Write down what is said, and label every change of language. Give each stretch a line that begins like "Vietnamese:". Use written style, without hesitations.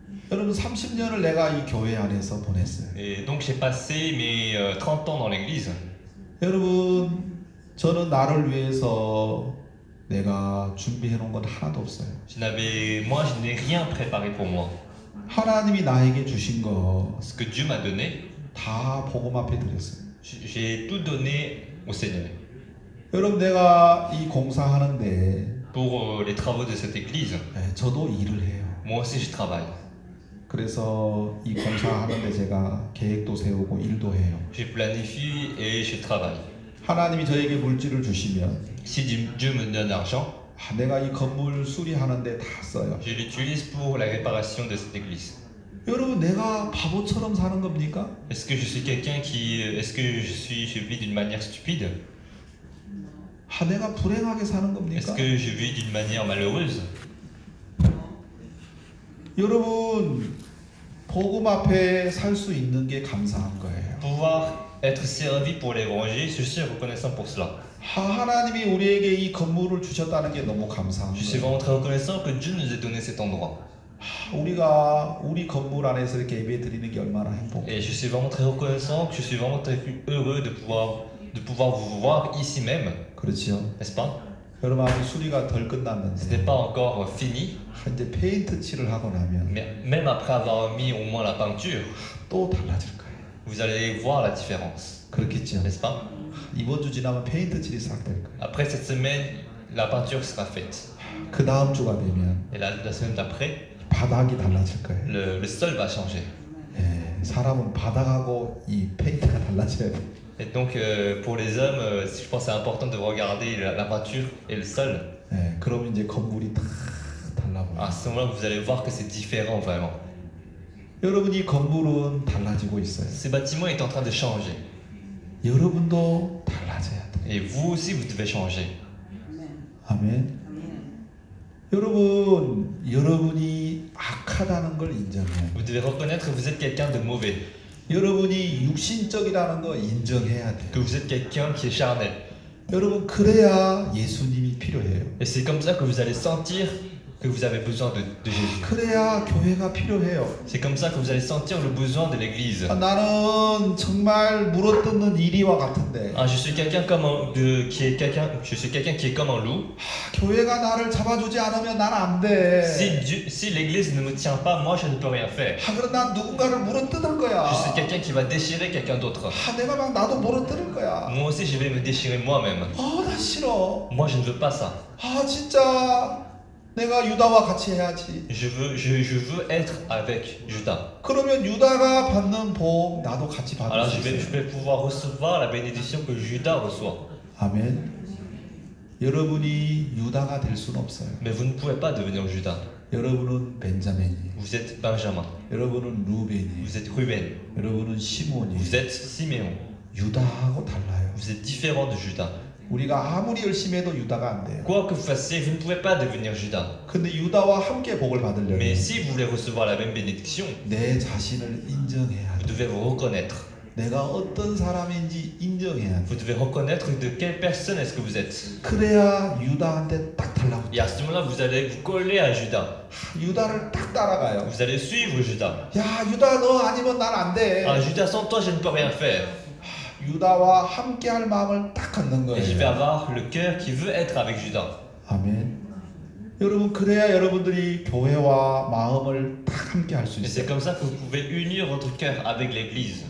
Korean: 여러분, 30년을 내가 이 교회 안에서 보냈어요.
French: Et donc j'ai passé mes 30 ans dans l'église.
Korean: 여러분, 저는 나를 위해서 내가 준비해 놓은 건 하나도 없어요.
French: Je n'avais, moi, je n'ai rien préparé pour moi.
Korean: 하나님이 나에게 주신 거,
French: ce que Dieu m'a donné,
Korean: 다 복음 앞에 드렸어요.
French: J'ai tout donné au Seigneur.
Korean: 여러분, 내가 이 공사하는데,
French: pour les travaux de cette église,
Korean: 네, 저도 일을 해요.
French: Moi aussi, je travaille.
Korean: 그래서 이 공사하는데 제가 계획도 세우고 일도 해요.
French: Je planifie et je travaille.
Korean: 하나님이 저에게 물질을 주시면
French: si Dieu me donne l'argent,
Korean: 아, 내가 이 건물 수리하는데 다 써요.
French: Je l'utilise pour la réparation de cette église.
Korean: 여러분, 내가 바보처럼 사는 겁니까?
French: Est-ce que je suis quelqu'un qui est-ce que je vis d'une manière stupide?
Korean: 아, 내가 불행하게 사는 겁니까?
French: Est-ce que je vis d'une manière malheureuse?
Korean: 여러분, 복음 앞에 살 수 있는 게 감사한 거예요.
French: Pouvoir être servi pour l'évangile, je suis reconnaissant pour cela.
Korean: 아, 하나님이 우리에게 이 건물을 주셨다는 게 너무 감사합니다.
French: Je suis vraiment très reconnaissant que Dieu nous ait donné cet endroit.
Korean: 우리가 우리 건물 안에서 이렇게 예배 드리는 게 얼마나 행복해.
French: Et je suis vraiment très reconnaissant, je suis vraiment très heureux de pouvoir vous voir ici même.
Korean: 그렇죠.
French: N'est-ce pas?
Korean: 여러분, 아직 수리가 덜 끝났는데.
French: Ce n'est pas encore fini.
Korean: 이제 페인트 칠을 하고 나면.
French: Même après avoir mis au moins la peinture.
Korean: 또 달라질 거예요.
French: Vous allez voir la différence.
Korean: 그렇겠죠.
French: N'est-ce pas?
Korean: 이번 주 지나면 페인트 칠이 시작될 거예요.
French: Après cette semaine, la peinture sera faite.
Korean: 그 다음 주가 되면
French: et la semaine d'après,
Korean: 바닥이 달라질 거예요.
French: Le sol va changer.
Korean: 예, 사람은 바닥하고 이 페인트가 달라져야 돼.
French: Et donc pour les hommes, je pense que c'est important de regarder la peinture et le sol.
Korean: 예, 그럼 이제 건물이 다 달라 보여요.
French: À ce moment-là, vous allez voir que c'est différent vraiment.
Korean: 여러분, 이 건물은 달라지고 있어요.
French: Ce bâtiment est en train de changer.
Korean: 여러분도 달라져야 돼.
French: Et vous aussi, vous devez changer.
Korean: 아멘. 여러분, 여러분이 악하다는 걸 인정해.
French: Vous devez reconnaître que vous êtes quelqu'un de mauvais.
Korean: 여러분이 육신적이라는 거 인정해야 돼.
French: Que vous êtes quelqu'un qui est charnel.
Korean: 여러분, 그래야 예수님이 필요해요.
French: Et c'est comme ça que vous allez sentir que vous avez besoin de Jésus.
Korean: 그래야 교회가 필요해요.
French: C'est comme ça que vous allez sentir le besoin de l'église.
Korean: 아, 나는 정말 물어뜯는 이리와 같은데.
French: Ah, je suis quelqu'un comme un loup.
Korean: 아, 교회가 나를 잡아주지 않으면 난 안 돼.
French: Si l'église ne me tient pas, moi je ne peux rien faire.
Korean: 아, 그럼 난 누군가를 물어뜯을 거야.
French: Je suis quelqu'un qui va déchirer quelqu'un d'autre.
Korean: 아, 내가 막 나도 물어뜯을 거야.
French: Moi aussi je vais me déchirer moi-même.
Korean: 아, 나 싫어.
French: Moi je ne veux pas ça.
Korean: 아, 진짜. 내가 유다와 같이 해야지.
French: Je veux être avec Judas.
Korean: 그러면 유다가 받는 복 나도 같이 받을
French: Alors,
Korean: 수 있어요.
French: Je vais pouvoir recevoir la bénédiction que Judas reçoit.
Korean: 아멘. 여러분이 유다가 될 순 없어요.
French: Mais vous ne pouvez pas devenir Judas.
Korean: 여러분은 벤자민이.
French: Vous êtes Benjamin.
Korean: 여러분은 루벤이.
French: Vous êtes Ruben.
Korean: 여러분은 시몬이.
French: Vous êtes Simeon.
Korean: 유다하고 달라요.
French: Vous êtes différent de Judas.
Korean: 우리가 아무리 열심히 해도 유다가 안 돼요.
French: Quoi que vous fassiez, vous ne pouvez pas devenir Judas.
Korean: 근데 유다와 함께 복을 받으려면
French: Mais si vous voulez recevoir la même bénédiction,
Korean: 내 자신을 인정해야 돼.
French: Vous devez vous reconnaître.
Korean: 내가 어떤 사람인지 인정해야 돼.
French: Vous devez reconnaître de quelle personne est-ce que vous êtes.
Korean: 그래야 유다한테 딱 달라붙어.
French: Et à ce moment-là, vous allez vous coller à Judas.
Korean: 유다를 딱 따라가요.
French: Vous allez suivre Judas.
Korean: 야, 유다 너 아니면 난 안 돼.
French: Ah, Judas, sans toi, je ne peux rien faire.
Korean: 유다와 함께 할 마음을 딱 갖는 거예요.
French: Et je vais avoir le cœur qui veut être avec Judas.
Korean: 아멘. 여러분 그래야 여러분들이 교회와 마음을 딱 함께 할 수 있어요.
French: Et c'est comme ça que vous pouvez unir votre cœur avec l'église.